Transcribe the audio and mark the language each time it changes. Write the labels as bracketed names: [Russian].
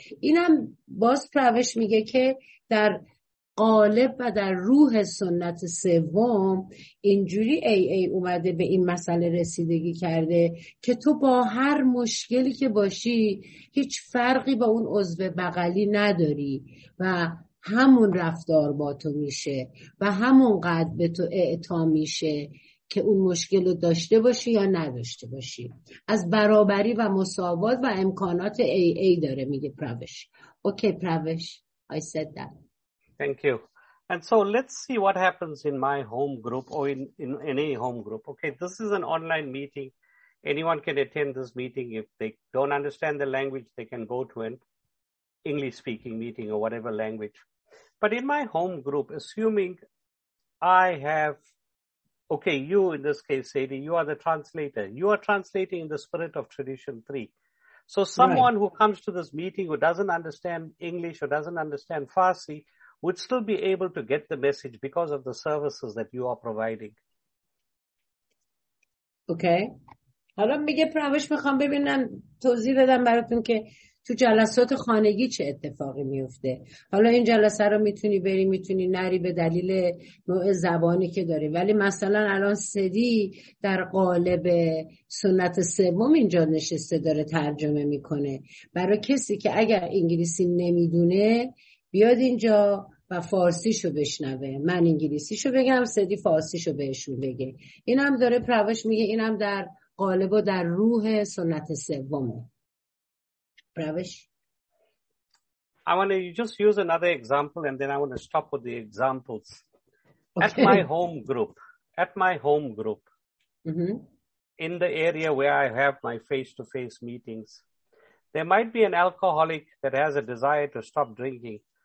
[Persian] اینم باز پروش میگه که در قالب و در روح سنت سوم اینجوری ای اومده به این مسئله رسیدگی کرده که تو با هر مشکلی که باشی هیچ فرقی با اون عضو بغلی نداری و همون رفتار با تو میشه و همونقدر به تو اعطا میشه که اون مشکل رو داشته باشی یا نداشته باشی. از برابری و مساوات و امکانات ای داره میگه پروش. اوکی پروش [English] I said that. Thank you. And so let's see what happens in my home group or in any home group. Okay, this is an online meeting. Anyone can attend this meeting. If they don't understand the language, they can go to an English-speaking meeting or whatever language. But in my home group, assuming I have, okay, you in this case, Sadie, you are the translator. You are translating in the spirit of tradition three. So someone right. who comes to this meeting who doesn't understand English or doesn't understand Farsi, would still be able to get the message because of the services that you are providing. Okay. [Persian] حالا میگه پروش میخوام ببینم توضیح بدم براتون که تو جلسات خانگی چه اتفاقی میفته. حالا این جلسه رو میتونی بری میتونی نری به دلیل نوع زبانی که داری. ولی مثلا الان سدی در قالب سنت سوم اینجا نشسته داره ترجمه میکنه. برای کسی که اگر انگلیسی نمیدونه بیاد اینجا و فارسیشو بشنوه. من انگلیسیشو بگم سدی فارسیشو بهشون بگه. اینم داره پروش میگه اینم در قالب و در روح سنت سومه. پروش [English] I want to just use another example and then I want to stop with the examples. Okay. At my home group mm-hmm. in the area where I have my face-to-face meetings there might be an alcoholic that has a desire to stop drinking.